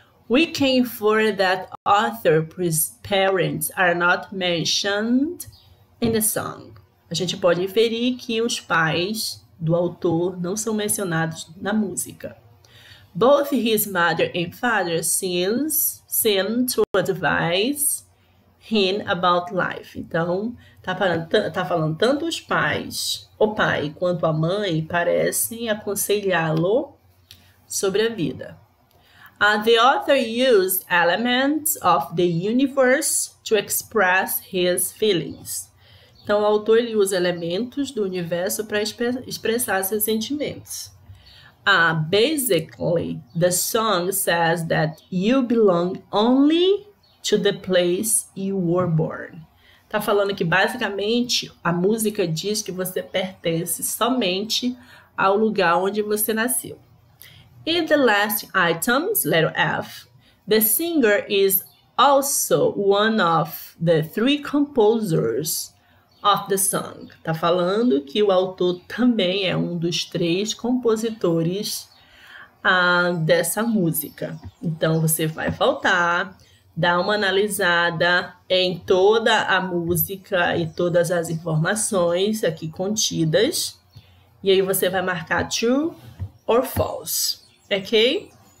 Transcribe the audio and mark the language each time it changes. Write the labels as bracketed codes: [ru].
[en] We can infer that author whose parents are not mentioned in the song. [pt] A gente pode inferir que os pais do autor não são mencionados na música. [en] Both his mother and father seem to advise him about life. [pt] Então, tá falando tanto os pais, o pai quanto a mãe parecem aconselhá-lo sobre a vida. [en] The author used elements of the universe to express his feelings. [pt] Então, o autor ele usa elementos do universo para expressar seus sentimentos. [en] Basically, the song says that you belong only to the place you were born. [pt] Tá falando que basicamente a música diz que você pertence somente ao lugar onde você nasceu. [en] In the last items, letter F, the singer is also one of the three composers of the song. [pt] Tá falando que o autor também é um dos três compositores dessa música. Então você vai voltar, dar uma analisada em toda a música e todas as informações aqui contidas, e aí você vai marcar [en] true or false, [pt] ok?